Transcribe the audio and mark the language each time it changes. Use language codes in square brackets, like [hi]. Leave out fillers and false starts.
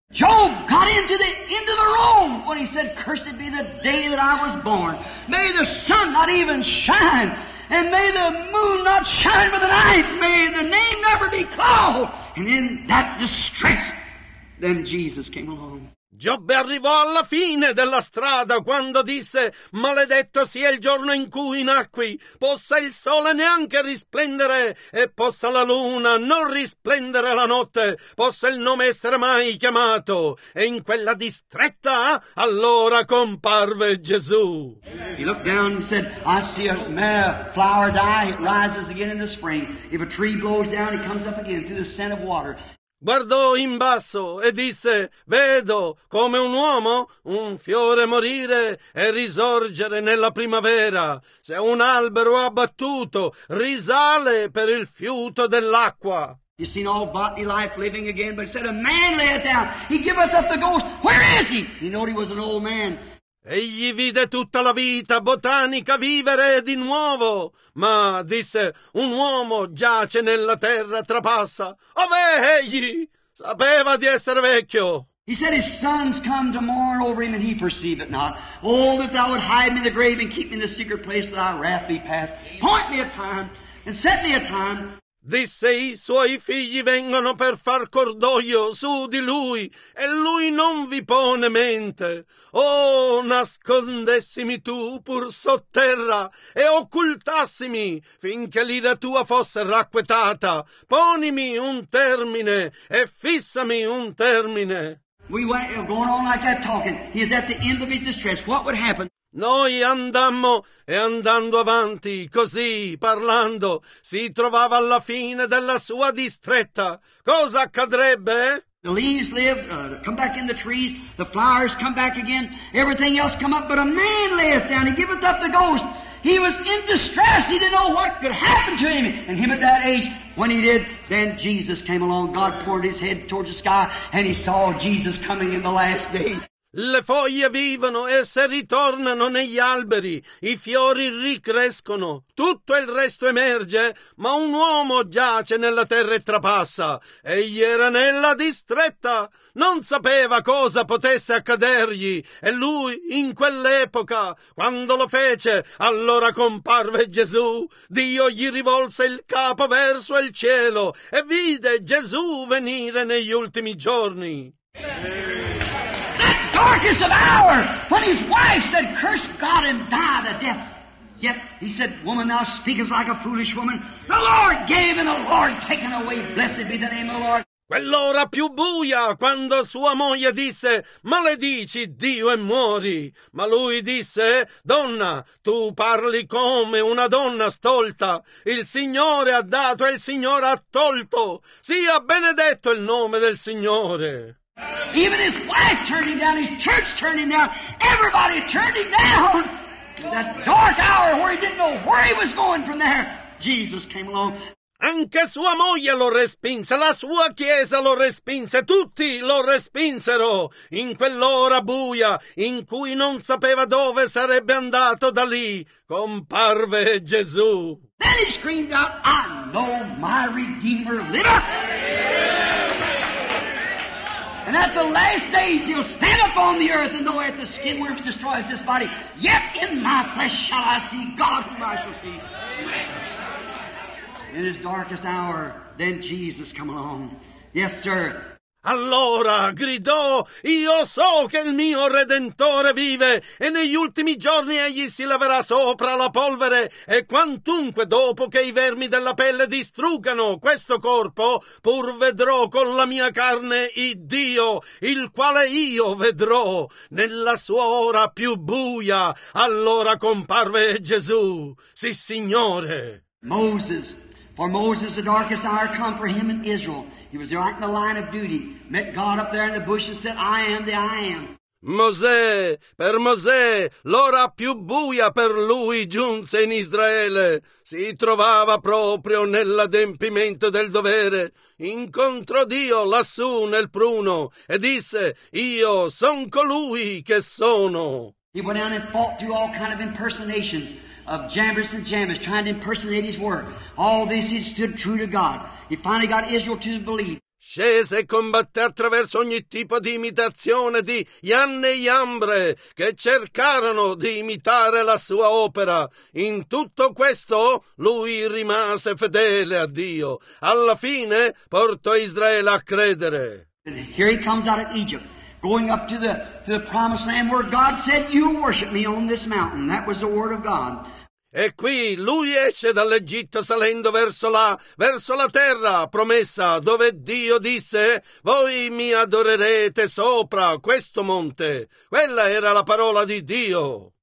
[en] Job got into the end of the room when he said, cursed be the day that I was born. May the sun not even shine, and may the moon not shine for the night. May the name never be called. And in that distress, then Jesus came along. [it] Giobbe arrivò alla fine della strada quando disse, maledetto sia il giorno in cui nacqui, possa il sole neanche risplendere e possa la luna non risplendere la notte, possa il nome essere mai chiamato. E in quella distretta, allora comparve Gesù. [en] He looked down and said, I see a flower die, it rises again in the spring. If a tree blows down, it comes up again through the scent of water. [it] Guardò in basso e disse, vedo come un uomo un fiore morire e risorgere nella primavera. Se un albero abbattuto risale per il fiuto dell'acqua. [en] You see all bodily life living again, but he said, a man layeth down, he giveth up the ghost, where is he? He knew he was an old man. [it] Egli vide tutta la vita botanica vivere di nuovo, ma disse, un uomo giace nella terra trapassa. Ov'è egli? Sapeva di essere vecchio. [en] He said his sons come to mourn over him and he perceive it not. Oh, that thou would hide me in the grave and keep me in the secret place that thy wrath be past. Point me a time and set me a time. [it] Disse, i suoi figli vengono per far cordoglio su di lui, e lui non vi pone mente. Oh, nascondessimi tu pur sotterra, e occultassimi finché l'ira tua fosse racquetata. Ponimi un termine, e fissami un termine. [en] We went going on like that talking. He is at the end of his distress. What would happen? [it] Noi andammo e andando avanti, così, parlando, si trovava alla fine della sua distretta. Cosa accadrebbe? [en] The leaves live, come back in the trees, the flowers come back again, everything else come up, but a man layeth down, he giveth up the ghost. He was in distress, he didn't know what could happen to him. And him at that age, when he did, then Jesus came along, God poured his head towards the sky, and he saw Jesus coming in the last days. [it] Le foglie vivono e se ritornano negli alberi, i fiori ricrescono, tutto il resto emerge, ma un uomo giace nella terra e trapassa. Egli era nella distretta, non sapeva cosa potesse accadergli, e lui, in quell'epoca, quando lo fece, allora comparve Gesù. Dio gli rivolse il capo verso il cielo e vide Gesù venire negli ultimi giorni. [en] Darkest of hour, when his wife said, curse God and die to death. Yet he said, woman, thou speakest like a foolish woman. The Lord gave and the Lord taken away. Blessed be the name of the Lord. [it] Quell'ora più buia, quando sua moglie disse: maledici Dio e muori. Ma lui disse: donna, tu parli come una donna stolta. Il Signore ha dato e il Signore ha tolto. Sia benedetto il nome del Signore. [en] Even his wife turned him down, his church turned him down, everybody turned him down. In that dark hour where he didn't know where he was going from there, Jesus came along. [it] Anche sua moglie lo respinse, la sua chiesa lo respinse, tutti lo respinsero. In quell'ora buia, in cui non sapeva dove sarebbe andato da lì, comparve Gesù. [en] Then he screamed out, I know my Redeemer liveth. And at the last days he'll stand up on the earth and though at the skin works destroys this body, yet in my flesh shall I see God whom I shall see. In his darkest hour, then Jesus come along. Yes, sir. [it] Allora gridò, io so che il mio Redentore vive e negli ultimi giorni egli si laverà sopra la polvere e quantunque dopo che i vermi della pelle distruggano questo corpo, pur vedrò con la mia carne Iddio, il quale io vedrò nella sua ora più buia. Allora comparve Gesù, sì Signore. [en] Moses. For Moses, the darkest hour come for him in Israel. He was right in the line of duty. Met God up there in the bushes and said, I am the I am. [it] Mosè, per Mosè, l'ora più buia per lui giunse in Israele. Si trovava proprio nell'adempimento del dovere. Incontrò Dio lassù nel pruno e disse, io son colui che sono. [en] He went down and fought through all kind of impersonations of Jambres and Jambres, trying to impersonate his work. All this he stood true to God. He finally got Israel to believe. [it] Scese e combatté attraverso ogni tipo di imitazione di Ian e Iambre che cercarono di imitare la sua opera. In tutto questo lui rimase fedele a Dio. Alla fine portò Israele a credere. [en] And here he comes out of Egypt. Going up to the promised land where God said, you worship me on this mountain. That was the word of God. [it] E qui lui esce dall'Egitto salendo verso la terra promessa, dove Dio disse, voi mi adorerete sopra questo monte. Quella era la parola di Dio.